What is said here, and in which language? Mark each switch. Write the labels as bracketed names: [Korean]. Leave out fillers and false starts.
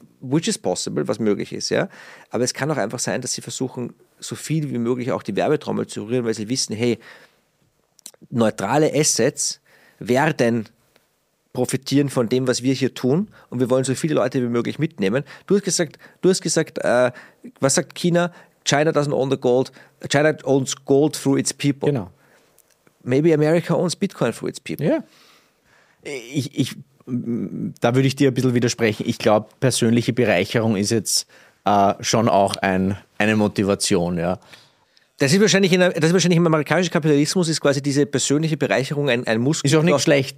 [English] Which is possible, [German] was möglich ist, ja. Aber es kann auch einfach sein, dass sie versuchen, so viel wie möglich auch die Werbetrommel zu rühren, weil sie wissen, hey, neutrale Assets werden profitieren von dem, was wir hier tun, und wir wollen so viele Leute wie möglich mitnehmen. Du hast gesagt, was sagt China? [English] China doesn't own the gold. China owns gold through its people. [German] Genau. [English] Maybe America owns Bitcoin through its people. [German] Ja. Ich, da würde ich dir ein bisschen widersprechen. Ich glaube, persönliche Bereicherung ist jetzt schon auch eine Motivation, ja. Das ist wahrscheinlich im amerikanischen Kapitalismus ist quasi diese persönliche Bereicherung ein Muskel. Ist auch nicht schlecht.